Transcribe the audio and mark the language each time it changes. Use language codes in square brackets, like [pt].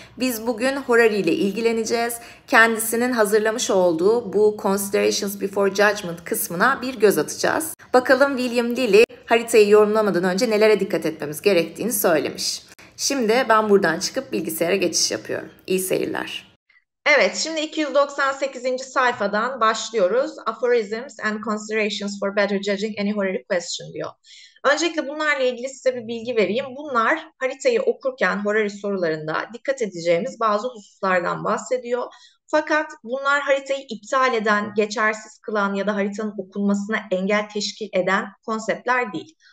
[tr] Biz bugün Horary ile ilgileneceğiz. Kendisinin hazırlamış olduğu bu Considerations Before Judgment kısmına bir göz atacağız. Bakalım William Lilly haritayı yorumlamadan önce nelere dikkat etmemiz gerektiğini söylemiş. Şimdi ben buradan çıkıp bilgisayara geçiş yapıyorum. İyi seyirler. Evet, şimdi 298. sayfadan başlıyoruz. [en] Aphorisms and considerations for better judging any horary question [tr] diyor. Öncelikle bunlarla ilgili size bir bilgi vereyim. Bunlar haritayı okurken horary sorularında dikkat edeceğimiz bazı hususlardan bahsediyor. Fakat bunlar haritayı iptal eden, geçersiz kılan ya da haritanın okunmasına engel teşkil eden konseptler değil.